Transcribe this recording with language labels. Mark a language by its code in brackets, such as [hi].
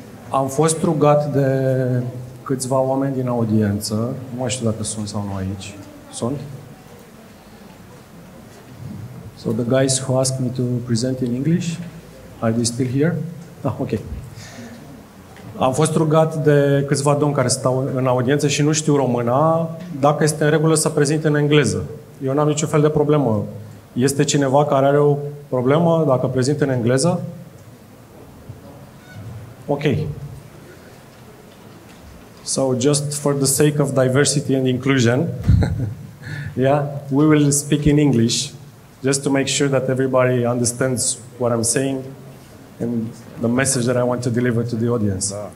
[ro] Am fost rugat de câțiva oameni din audiență, nu mai știu dacă sunt sau nu aici. Sunt? [en] So the guys who asked me to present in English, are they still here? Ah, ok. [ro] Am fost rugat de câțiva domni care stau în audiență și nu știu româna, dacă este în regulă să prezint în engleză. Eu n-am niciun fel de problemă. Este cineva care are o problemă dacă prezint în engleză? Ok. [en] So just for the sake of diversity and inclusion, yeah, we will speak in English just to make sure that everybody understands what I'm saying and the message that I want to deliver to the audience.